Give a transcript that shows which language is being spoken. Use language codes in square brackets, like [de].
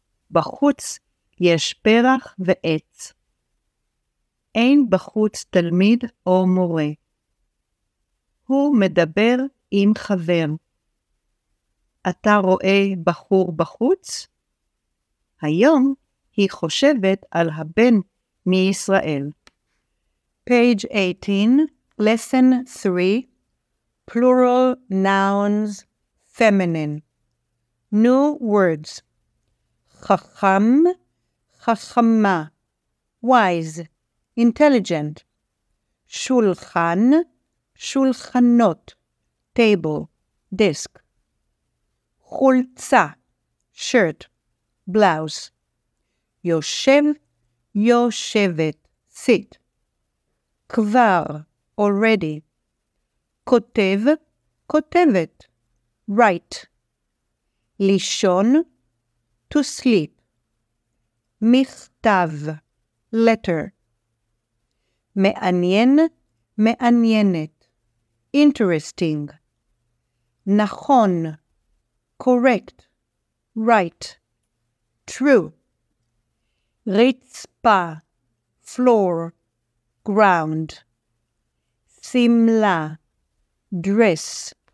[he] בחוץ יש פרח ועץ. אין בחוץ תלמיד או מורה. הוא מדבר עם חבר. אתה רואה בחור בחוץ? היום היא חושבת על הבן מישראל. [en] Page 18, lesson 3, plural nouns, feminine. New words. [he] חכם, חכמה. [en] Wise, intelligent. [he] שולחן, שולחנות. [en] Table, disc. חולצה, shirt, blouse. [he] יושב, יושבת, sit. כבר, already. כותב, כותבת, write. [en] לישון, to sleep. [he] מכתב, letter. מעניין, מעניינת. Interesting. נכון, correct. [en] Right. True. רצפה, floor, ground. שמלה, dress.